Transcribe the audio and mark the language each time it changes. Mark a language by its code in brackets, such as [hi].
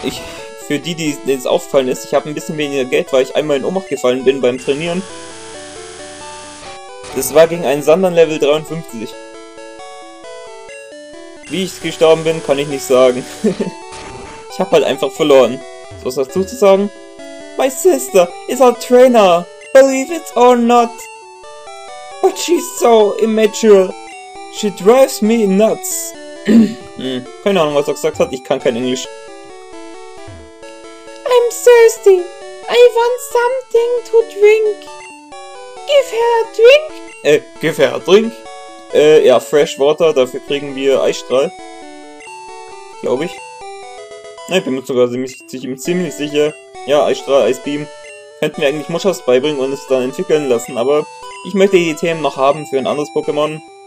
[de] Ich, für die, die es auffallen ist, ich habe ein bisschen weniger Geld, weil ich einmal in Ohnmacht gefallen bin beim Trainieren. Das war gegen einen Sandern Level 53. Wie ich gestorben bin, kann ich nicht sagen. Ich habe halt einfach verloren. So, was dazu zu sagen? [en] My sister is our trainer. Believe it or not. But she's so immature. She drives me nuts. [de] keine Ahnung, was er gesagt hat. Ich kann kein Englisch. [en] I'm thirsty. I want something to drink. Give her a drink. Give her a drink. Ja, fresh water. [de] Dafür kriegen wir Eisstrahl. Glaube ich. Ich bin mir sogar ziemlich sicher. Ja, Eisstrahl, Eisbeam. Könnten wir eigentlich Muschas beibringen und es dann entwickeln lassen. Aber ich möchte die Themen noch haben für ein anderes Pokémon.